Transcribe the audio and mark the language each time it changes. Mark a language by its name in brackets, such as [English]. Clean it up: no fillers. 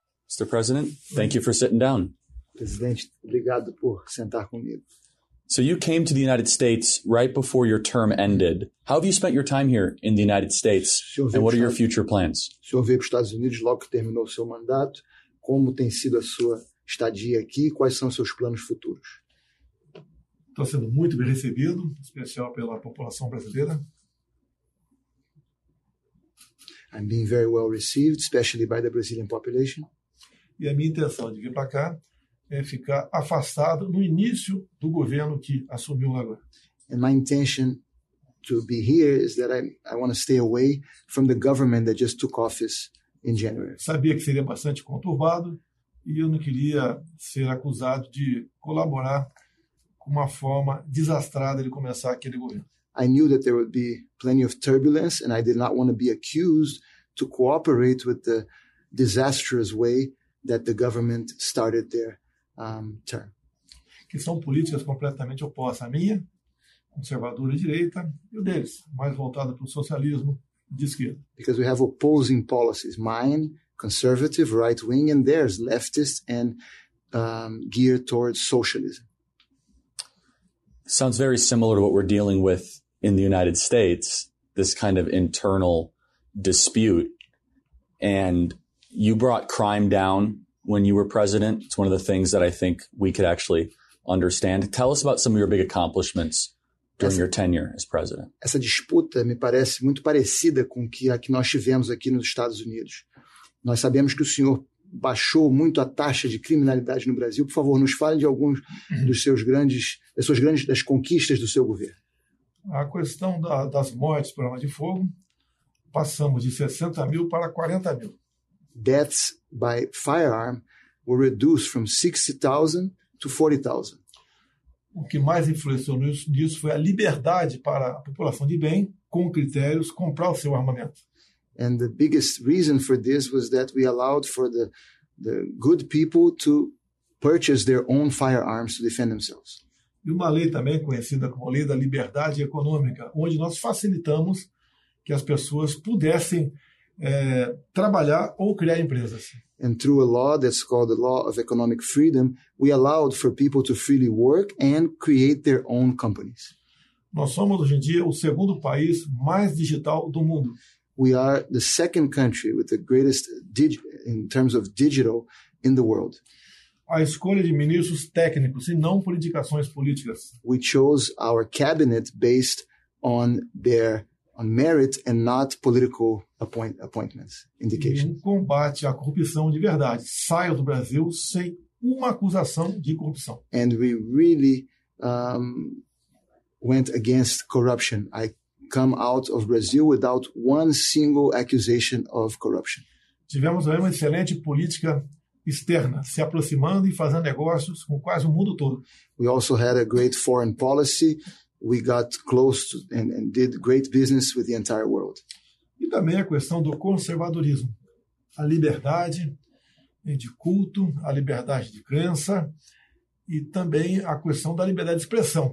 [English] Mr. President, thank you for sitting down. [Portuguese] Presidente, obrigado por sentar comigo. [English] So you came to the United States right before your term ended. How have you spent your time here in the United States, and what are your future plans? [Portuguese] O senhor veio para os Estados Unidos logo que terminou o seu mandato. Como tem sido a sua estadia aqui? Quais são os seus planos futuros? Estou sendo muito bem recebido, especial pela população brasileira. [English] I'm being very well received, especially by the Brazilian population. [Portuguese] E a minha intenção de vir para cá é ficar afastado no início do governo que assumiu agora. [English] And my intention to be here is that I want to stay away from the government that just took office in January. [Portuguese] Sabia que seria bastante conturbado e eu não queria ser acusado de colaborar uma forma desastrada de começar aquele governo. [English] I knew that there would be plenty of turbulence and I did not want to be accused to cooperate with the disastrous way that the government started their term. [Portuguese] Que são políticas completamente opostas à minha, conservadora e direita, e o deles, mais voltada para o socialismo de esquerda. [English] Because we have opposing policies, mine, conservative, right wing, and theirs, leftist and geared towards socialism. Sounds very similar to what we're dealing with in the United States, this kind of internal dispute. And you brought crime down when you were president. It's one of the things that I think we could actually understand. Tell us about some of your big accomplishments during your tenure as president. [Portuguese] Essa disputa me parece muito parecida com a que nós tivemos aqui nos Estados Unidos. Nós sabemos que o senhor baixou muito a taxa de criminalidade no Brasil. Por favor, nos fale de alguns dos seus grandes, das suas grandes das conquistas do seu governo. A questão das mortes por arma de fogo, passamos de 60 mil para 40 mil. [English] Deaths by firearm were reduced from 60,000 to 40,000. [Portuguese] O que mais influenciou nisso foi a liberdade para a população de bem, com critérios, comprar o seu armamento. [English] And the biggest reason for this was that we allowed for the good people to purchase their own firearms to defend themselves. [Portuguese] E uma lei também conhecida como a Lei da Liberdade Econômica, onde nós facilitamos que as pessoas pudessem trabalhar ou criar empresas. [English] And through a law that's called the Law of Economic Freedom, we allowed for people to freely work and create their own companies. [Portuguese] Nós somos hoje em dia o segundo país mais digital do mundo. [English] We are the second country with the greatest in terms of digital in the world. [Portuguese] A escolha de ministros técnicos e não por indicações políticas. [English] We chose our cabinet based on their on merit and not political appointments indications. [Portuguese] Um combate à corrupção de verdade. Saio do Brasil sem uma acusação de corrupção. [English] And we really went against corruption. I come out of Brazil without one single accusation of corruption. [Portuguese] Tivemos uma excelente política externa, se aproximando e fazendo negócios com quase o mundo todo. [English] We also had a great foreign policy. We got close to and did great business with the entire world. [Portuguese] E também a questão do conservadorismo, a liberdade de culto, a liberdade de crença, e também a questão da liberdade de expressão.